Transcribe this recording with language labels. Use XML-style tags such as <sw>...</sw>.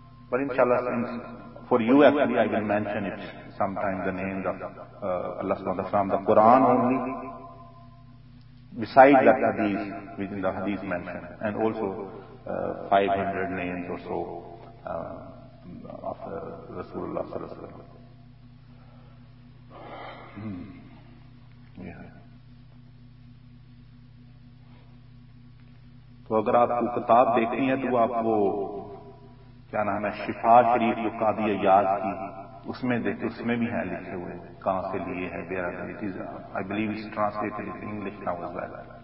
<en>But inshallah, since for you actually I will mention it sometime, the names of Allah sallallahu alaihi wasallam, the Quran only, besides that hadith, within the hadith mentioned, and also 500 names or so of Rasulullah sallallahu alaihi wasallam.</en> <ur>تو اگر آپ کو کتاب دیکھنی ہے تو آپ وہ کیا نام ہے شفا شریف جو قاضی ایاز کی اس میں دیکھیں, اس میں بھی ہیں لکھے ہوئے کہاں سے لیے ہیں.</ur> <en>I believe it's translated in English now as well.</en>